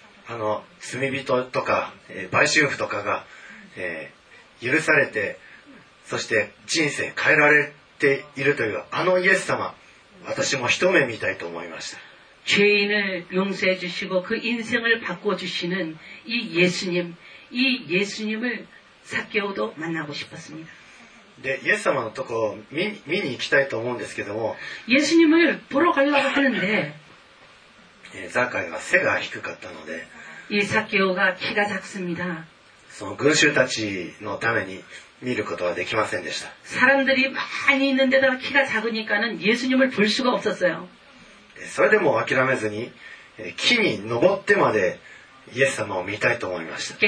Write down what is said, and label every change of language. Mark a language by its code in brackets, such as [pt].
[ja] あの罪人とか売春婦とかが許されてそして人生変えられているというあのイエス様私も一目見たいと思いました。 [ko] 죄인을용서해주시고그인생을바꿔주시는이예수님이예수님을사케오도만나고싶었습니다 [ja] で、イエス様のとこ見に行きたいと思うんですけども [ko] 예수님을보러가려고하는데 [ja] ザカイは背が低かったのでいサケオが気が [ko] 작습니다 [ja] その群衆たちのために見ることはできませんでした [ko] 사람들이많이있는데도키가작으니까는예수님을볼수가없었어요 [ja] それでも諦めずに木に登ってまでイエス様を見たいと思いました